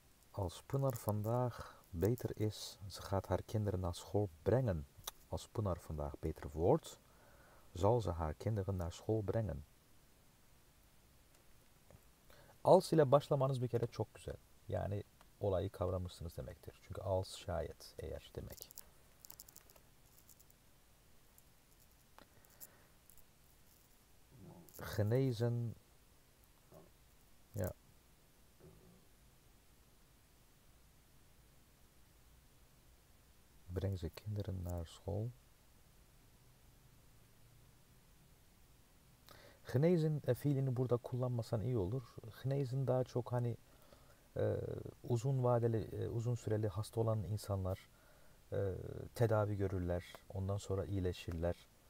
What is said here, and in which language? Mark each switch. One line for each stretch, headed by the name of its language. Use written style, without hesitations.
Dutch: Als Pınar vandaag beter is, ze gaat haar kinderen naar school brengen. Als Pınar vandaag beter wordt, zal ze haar kinderen naar school brengen.
Turkish: Als ile başlamanız bir kere çok güzel. Yani olayı kavramışsınız demektir. Çünkü als şayet eğer demek.
Dutch: Genezen. Ya. Breng ze kinderen naar school.
Turkish: Gnezin fiilini burada kullanmasan iyi olur. Gnezin daha çok hani uzun vadeli, uzun süreli hasta olan insanlar tedavi görürler. Ondan sonra iyileşirler.